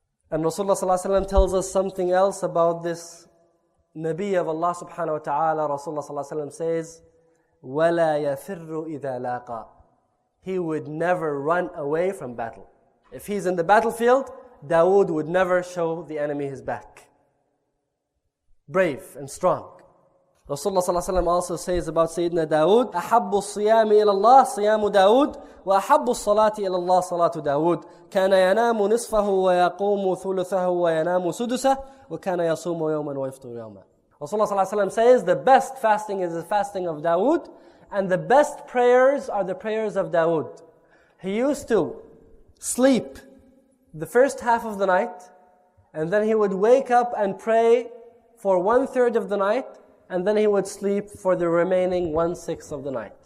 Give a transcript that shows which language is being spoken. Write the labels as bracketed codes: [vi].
[en] And Rasulullah sallallahu alaihi wasallam tells us something else about this Nabi of Allah subhanahu wa ta'ala. Rasulullah sallallahu alaihi wasallam says, [ar] وَلَا يَفِرُّ إِذَا لَاقَى. [en] He would never run away from battle. If he's in the battlefield, Dawood would never show the enemy his back. Brave and strong. Rasulullah sallallahu alaihi wasallam also says about Sayyidina Dawood, [ar] أَحَبُّ الصِّيَامِ إِلَى اللَّهِ صِيَامُ دَاوُودِ وَأَحَبُّ الصَّلَاةِ إِلَى اللَّهِ صَلَاةُ دَاوُودِ كَانَ يَنَامُ نِصْفَهُ وَيَقُومُ ثُلُثَهُ وَيَنَامُ سُدُسَهُ وَكَانَ يَصُومُ يَوْمًا وَيَفْطُرُ يَوْمًا. [en] Rasulullah sallallahu alaihi wasallam says the best fasting is the fasting of Dawood, and the best prayers are the prayers of Dawood. He used to sleep the first half of the night, and then he would wake up and pray for 1/3 of the night, and then he would sleep for the remaining 1/6 of the night.